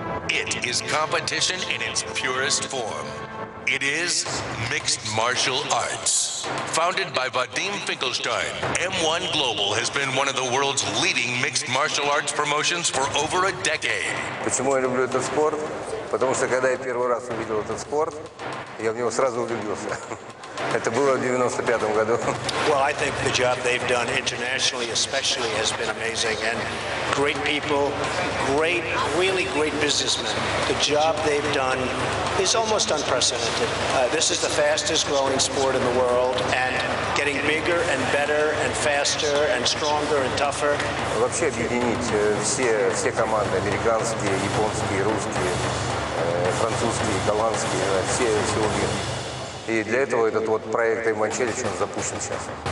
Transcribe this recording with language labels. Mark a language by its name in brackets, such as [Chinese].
[English] It is competition in its purest form. It is mixed martial arts. Founded by Vadim Finkelstein, M1 Global has been one of the world's leading mixed martial arts promotions for over a decade. [Russian] Почему я люблю этот спорт? Потому что когда я первый раз увидел этот спорт, я в него сразу влюбился. Это было в 95-м году. [English] Well, I think the job they've done internationally especially has been amazing. And great people, great, really great businessmen. The job they've done is almost unprecedented. This is the fastest growing sport in the world. And getting bigger and better and faster and stronger and tougher. [Russian] Вообще объединить все команды, американские, японские, русские, французские, голландские, все умеют. И для этого этот вот проект Иван Челич, он запущен сейчас.